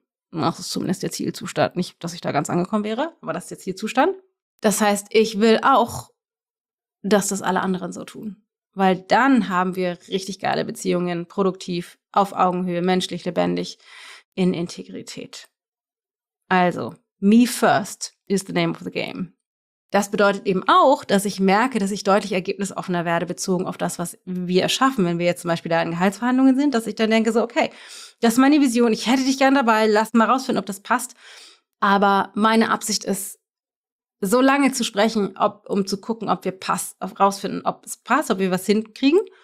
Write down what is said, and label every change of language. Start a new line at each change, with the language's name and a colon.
German: Das ist zumindest der Zielzustand. Nicht, dass ich da ganz angekommen wäre, aber das ist der Zielzustand. Das heißt, ich will auch, dass das alle anderen so tun. Weil dann haben wir richtig geile Beziehungen, produktiv, auf Augenhöhe, menschlich, lebendig, in Integrität.
English: Also, me first is the name of the game.
German: Das bedeutet eben auch, dass ich merke, dass ich deutlich ergebnisoffener werde, bezogen auf das, was wir erschaffen, wenn wir jetzt zum Beispiel da in Gehaltsverhandlungen sind, dass ich dann denke so, okay, das ist meine Vision, ich hätte dich gern dabei, lass mal rausfinden, ob das passt. Aber meine Absicht ist, so lange zu sprechen, um zu gucken, ob wir rausfinden, ob es passt, ob wir was hinkriegen.